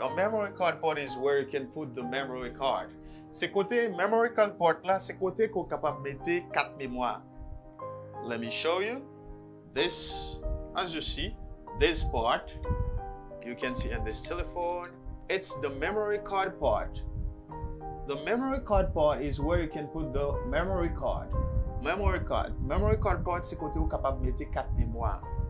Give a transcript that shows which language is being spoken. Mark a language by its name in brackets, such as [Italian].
[English] A memory card port is where you can put the memory card. [French] C'est côté [English] memory card port [French] là, c'est côté qu'on capable mettre carte mémoire. [English] Let me show you. This, as you see, this part, you can see in this telephone, it's the memory card part. The memory card part is where you can put the memory card. Memory card. Memory card part, [French] c'est côté où capable mettre carte mémoire.